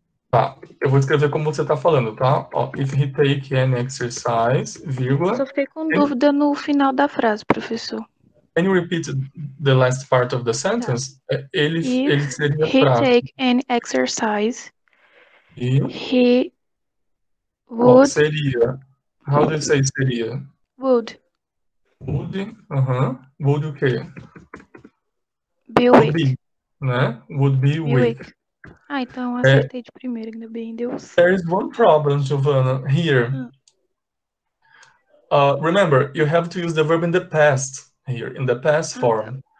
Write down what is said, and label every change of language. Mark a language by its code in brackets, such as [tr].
[pt] Tá, eu vou escrever como você tá falando, tá? [en] Ó, if he take an exercise, vírgula... [pt] Só fiquei com dúvida no final da frase, professor. [en] Can you repeat the last part of the sentence? [pt] Tá. Ele seria [en] he [pt] fraco. [en] Take an exercise, [pt] e? [en] He would... [pt] Ó, seria. [en] How do you say seria? Would. Would, Would [pt] o quê? [en] Be would Be, né? Would be weak. [pt] Ah, então acertei de primeira, ainda bem, Deus. [en] There is one problem, Giovanna, here. Remember, you have to use the verb in the past here, in the past form.